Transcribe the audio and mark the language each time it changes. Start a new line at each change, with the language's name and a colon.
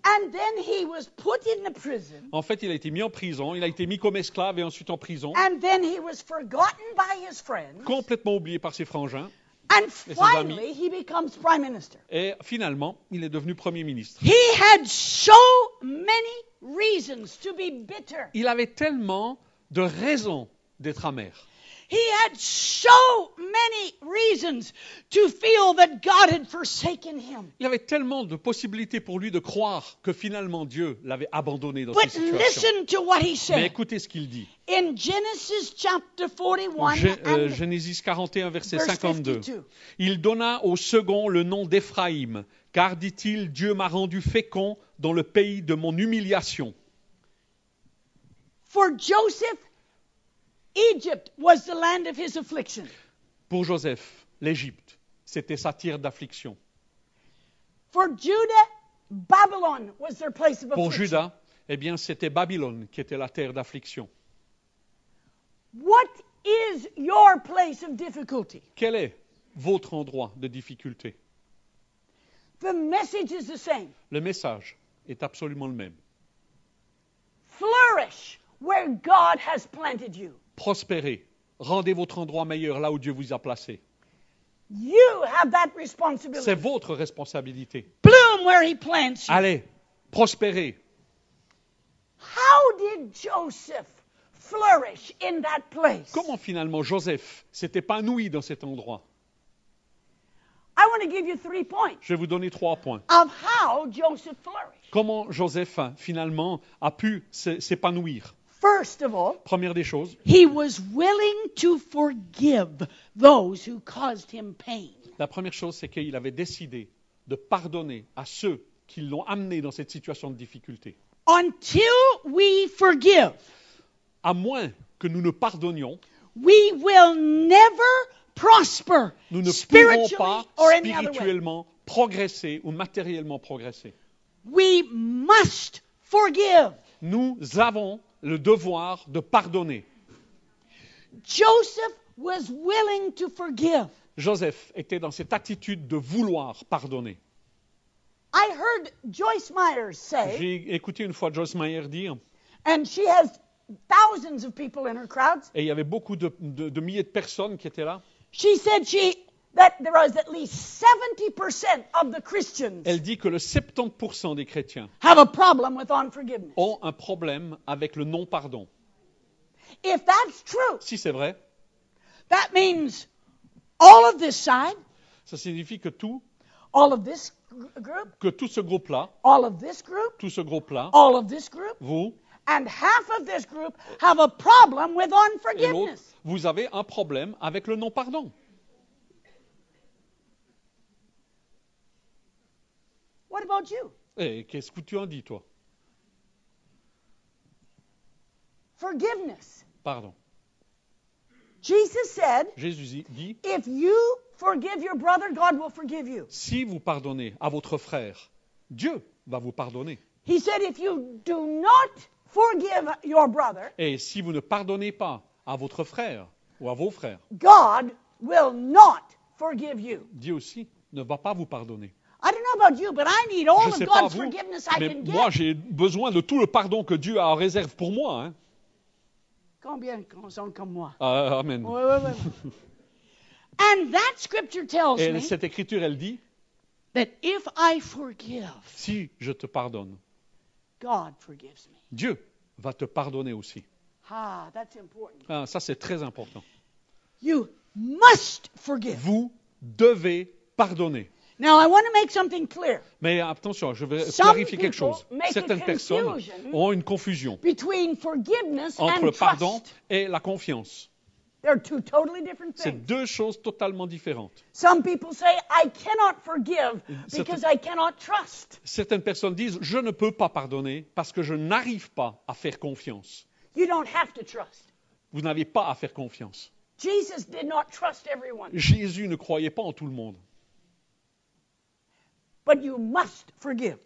English: And then he was put in the prison.
French: En fait, il a été mis en prison. Il a été mis comme esclave et ensuite en prison.
English: And then he was forgotten by his friends.
French: Complètement oublié par ses frangins.
English: And
French: et
English: finally, He becomes prime minister.
French: Et finalement, il est devenu premier ministre.
English: He had so many reasons to be bitter.
French: Il avait tellement de raisons d'être amer.
English: He had so many reasons to feel that God had forsaken him.
French: Il avait tellement de possibilités pour lui de croire que finalement Dieu l'avait abandonné dans
English: but
French: cette situation.
English: But listen to what he said.
French: Mais écoutez ce qu'il dit.
English: In Genesis chapter 41
French: Genesis 41 verset 52. Il donna au second le nom d'Éphraïm, car dit-il Dieu m'a rendu fécond dans le pays de mon humiliation.
English: For Joseph Egypt was the land of his affliction.
French: Pour Joseph, l'Égypte, c'était sa terre d'affliction.
English: For Judah, Babylon was their place of affliction.
French: Pour Judas, eh bien, c'était Babylone qui était la terre d'affliction.
English: What is your place of difficulty?
French: Quel est votre endroit de difficulté?
English: The message is the same.
French: Le message est absolument le même.
English: Flourish where God has planted you.
French: Prospérez. Rendez votre endroit meilleur là où Dieu vous a placé.
English: You have that responsibility.
French: C'est votre responsabilité.
English: Bloom where he plants you.
French: Allez, prospérez.
English: How did Joseph flourish in that place?
French: Comment finalement Joseph s'est épanoui dans cet endroit?
English: I want to give you 3 points.
French: Je vais vous donner 3 points.
English: Of how Joseph flourished.
French: Comment Joseph finalement a pu s'épanouir?
English: First of all,
French: première des choses,
English: he was willing to forgive those who caused him pain.
French: La première chose, c'est qu'il avait décidé de pardonner à ceux qui l'ont amené dans cette situation de difficulté.
English: Until we forgive,
French: à moins que nous ne pardonnions,
English: we will never prosper.
French: Nous ne pourrons pas spirituellement progresser ou matériellement progresser.
English: We must forgive.
French: Nous avons le devoir de pardonner.
English: Joseph was willing to forgive.
French: Joseph était dans cette attitude de vouloir pardonner.
English: I heard Joyce Meyer say.
French: J'ai écouté une fois Joyce Meyer dire.
English: And she has thousands of people in her crowds.
French: Et il y avait beaucoup de milliers de personnes qui étaient là.
English: She said that there was at least 70% of the Christians.
French: Elle dit que le 70% des chrétiens
English: have a problem with unforgiveness.
French: Ont un problème avec le non pardon.
English: If that's true.
French: Si c'est vrai.
English: That means all of this side.
French: Ça signifie que tout.
English: All of this group.
French: Que tout ce groupe là.
English: All of this group.
French: Tout ce groupe là.
English: All of this group.
French: Vous.
English: And half of this group have a problem with unforgiveness.
French: Et l'autre, vous avez un problème avec le non pardon.
English: What about you?
French: Et qu'est-ce que tu en dis, toi?
English: Forgiveness.
French: Pardon.
English: Jesus said,
French: Jésus dit,
English: if you forgive your brother, God will forgive you.
French: Si vous pardonnez à votre frère, Dieu va vous pardonner.
English: He said, if you do not forgive your brother,
French: et si vous ne pardonnez pas à votre frère ou à vos frères,
English: God will not forgive you.
French: Dieu aussi ne va pas vous pardonner.
English: I don't know about you, but I need all of God's forgiveness I can get.
French: Mais moi, j'ai besoin de tout le pardon que Dieu a en réserve pour moi. Hein. Combien sont comme moi? Amen. Oui.
English: And that scripture tells
French: et
English: me
French: cette écriture, elle dit
English: that if I forgive,
French: si je te pardonne,
English: God forgives me.
French: Dieu va te pardonner aussi.
English: Ah, that's important.
French: Ah, ça, c'est très important.
English: You must forgive.
French: Vous devez pardonner.
English: Now I want to make something clear.
French: Mais attention, je vais
English: Some
French: clarifier quelque chose. Certaines personnes ont une confusion
English: between forgiveness
French: entre
English: and
French: le pardon
English: trust.
French: Et la confiance.
English: They're two totally different things.
French: C'est deux choses totalement différentes.
English: Some people say I cannot forgive because I cannot trust.
French: Certaines personnes disent je ne peux pas pardonner parce que je n'arrive pas à faire confiance.
English: You don't have to trust.
French: Vous n'avez pas à faire confiance.
English: Jesus did not trust everyone.
French: Jésus ne croyait pas en tout le monde.
English: But you must forgive.